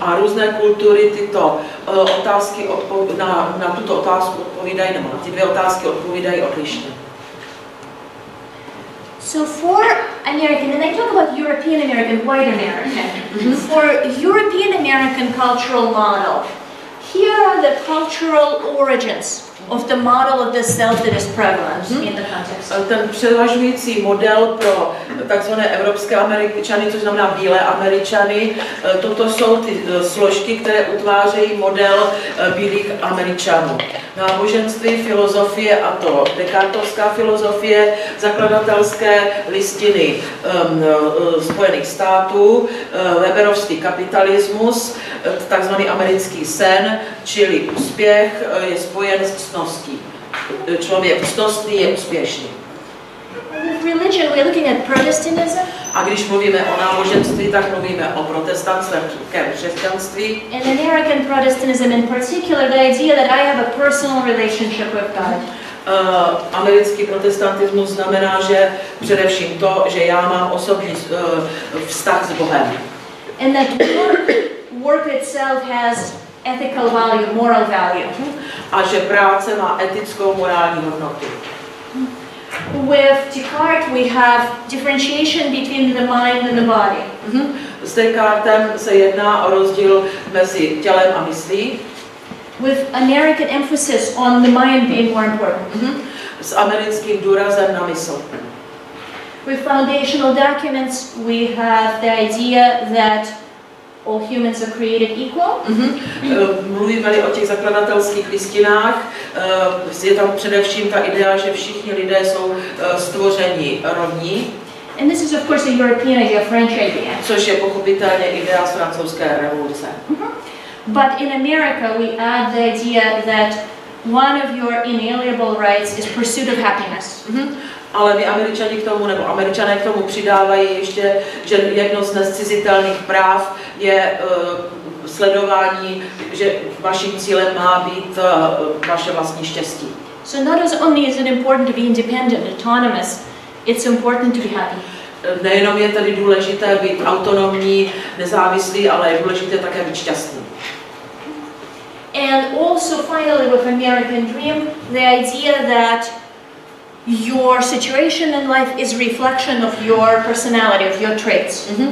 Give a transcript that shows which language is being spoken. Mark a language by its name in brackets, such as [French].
[Czech] A různé kultury tyto otázky na tuto otázku odpovídají, nebo na ty dvě otázky odpovídají odlišně. [English] So for American, and I talk about European American, white American, for European American cultural model, here are the cultural origins of the model of the self that is prevalent in the context. [Czech] Ten převažující model pro takzvané evropské Američany, což znamená bílé Američany, toto jsou ty složky, které utvářejí model bílých Američanů. Náboženství, filozofie a to dekartovská filozofie, zakladatelské listiny Spojených států, weberovský kapitalismus, takzvaný americký sen, čili úspěch je spojen s cností. Člověk cnostný je úspěšný. [English] Religion, we're looking at Protestantism. [Czech] A když mluvíme o náboženství, tak mluvíme o protestantském křesťanství. [English] And American Protestantism in particular, the idea that I have a personal relationship with God. [Czech] Americký protestantismus znamená, že především to, že já mám osobní vztah s Bohem. [English] And that work itself has ethical value, moral value. [Czech] A že práce má etickou morální hodnotu. [English] With Descartes we have differentiation between the mind and the body. [Czech] S Descartesem se jedná o rozdíl mezi tělem a myslí. [English] With American emphasis on the mind being more important. [Czech] S americkým důrazem na mysl. [English] With foundational documents we have the idea that all humans are created equal. [Czech] Mluvíme-li o těch zakladatelských listinách, je tam především ta idea, že všichni lidé jsou stvoření rovní. [English] And this is of course a European idea, French idea. [Czech] Což je pochopitelně idea z francouzské revoluce. [English] But in America we add the idea that one of your inalienable rights is pursuit of happiness. [Czech] Ale my Američani k tomu, nebo Američané k tomu přidávají ještě, že jedno z nezcizitelných práv je sledování, že vaším cílem má být vaše vlastní štěstí. [English] So not only is it important to be independent, autonomous, it's important to be happy. [Czech] Nejenom je tedy důležité být autonomní, nezávislý, ale je důležité také být šťastný. [English] And also finally with American Dream, the idea that your situation in life is reflection of your personality, of your traits.